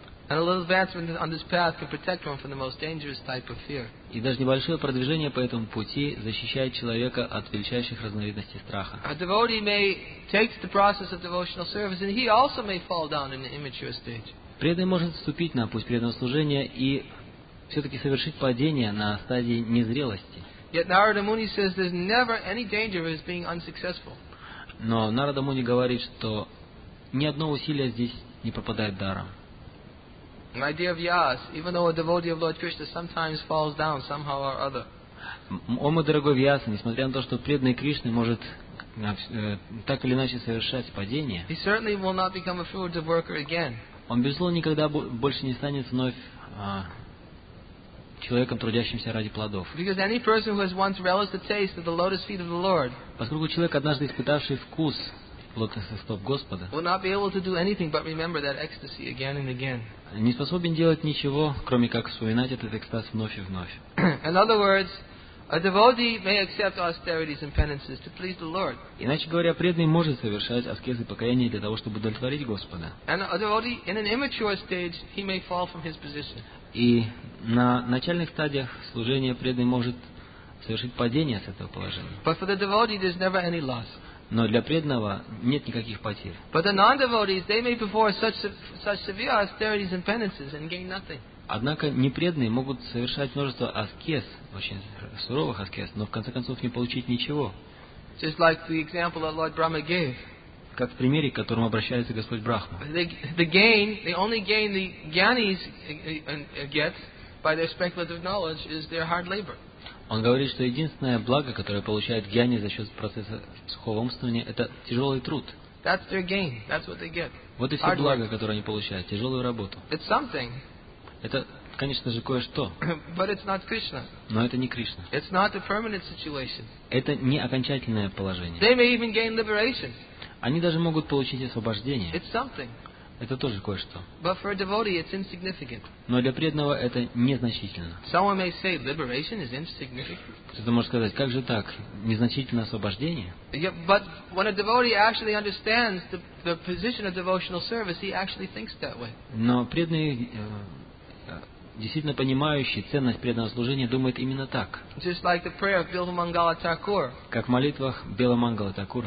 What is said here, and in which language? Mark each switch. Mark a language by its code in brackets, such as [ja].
[en] And a little advancement on this path can protect one from the most dangerous type of fear. [ru] И даже небольшое продвижение по этому пути защищает человека от величайших разновидностей страха. [en] A devotee may take the process of devotional service, and he also may fall down in an immature stage. [ru] Преданный может вступить на путь преданного служения и все-таки совершить падение на стадии незрелости. [en] Yet Narada Muni says there's never any danger of being unsuccessful. [ru] Но Нарада Муни говорит, что ни одно усилие здесь не пропадает даром. [en] My dear Vyas, even though a devotee of Lord Krishna sometimes falls down somehow or other. [ru] О мой дорогой Вьяс, несмотря на то, что преданный Кришна может так или иначе совершать падение, [en] he certainly will not become a fruit of worker again. [ru] Он, безусловно, никогда больше не станет вновь человеком, трудящимся ради плодов. [en] Because any person who has once relished the taste of the lotus feet of the Lord, [ru] поскольку человек, однажды испытавший вкус лотосных стоп Господа, [en] will not be able to do anything but remember that ecstasy again and again. [ru] Не способен делать ничего, кроме как вспоминать этот экстаз вновь и вновь. [en] In other words, a devotee may accept austerities and penances to please the Lord. [ru] Иначе говоря, преданный может совершать аскезы покаяния для того, чтобы удовлетворить Господа. [en] And a devotee, in an immature stage, he may fall from his position. [ru] И на начальных стадиях служения преданный может совершить падение с этого положения. [en] But for the devotee, there's never any loss. [ru] Но для преданного нет никаких потерь. [en] But the non-devotees, they may perform such severe austerities and penances and gain nothing. [ru] Однако непреданные могут совершать множество аскез, очень суровых аскез, но в конце концов не получить ничего. [en] Just like the example that Lord Brahma gave. [ru] Как в примере, к которому обращается Господь Брахма. [en] The gain, the only gain the gyanis get by their speculative knowledge is their hard labor. [ru] Он говорит, что единственное благо, которое получает гьяни за счет процесса сухого умствования, это тяжелый труд. [en] That's their gain. That's what they get. [ru] Вот и все благо, которое они получают, тяжелую работу. [en] It's something. [ru] Это, конечно же, кое-что. [en] But it's not Krishna. [ru] Но это не Кришна. [en] It's not a permanent situation. [ru] Это не окончательное положение. [en] They may even gain liberation. [ru] Они даже могут получить освобождение. [en] It's something. [ru] Это тоже кое-что. [en] But for a devotee, it's insignificant. [ru] Но для преданного это незначительно. [en] Someone may say, liberation is insignificant. [ru] Кто-то может сказать, как же так, незначительное освобождение? [en] Yeah, but when a devotee actually understands the position of devotional service, he actually thinks that way. [ru] Но преданный, действительно понимающий ценность преданного служения, думает именно так. [en] Just like the prayer of Bilvamangala Thakur. [ru] Как в молитвах Бхилмангала Такура.